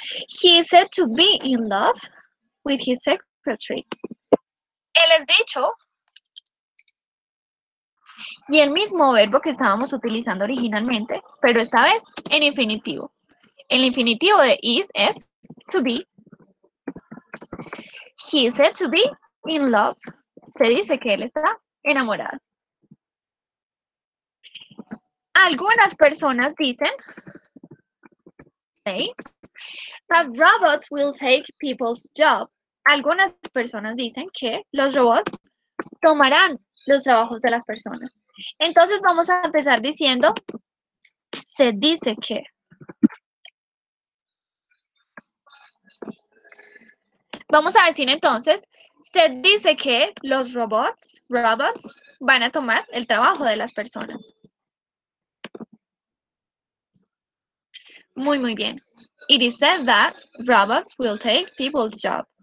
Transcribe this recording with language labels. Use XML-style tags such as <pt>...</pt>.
<en>He is said to be in love with his secretary.</en> <es>Él es dicho. Y el mismo verbo que estábamos utilizando originalmente, pero esta vez en infinitivo. El infinitivo de is es to be.</es> <en>He is said to be in love.</en> <es>Se dice que él está enamorado. Algunas personas dicen, say,</es> <en>that robots will take people's job.</en> <es>Algunas personas dicen que los robots tomarán los trabajos de las personas. Entonces vamos a empezar diciendo, se dice que. Vamos a decir entonces, se dice que los robots, van a tomar el trabajo de las personas. Muy, muy bien.</es> <en>It is said that robots will take people's job.</en>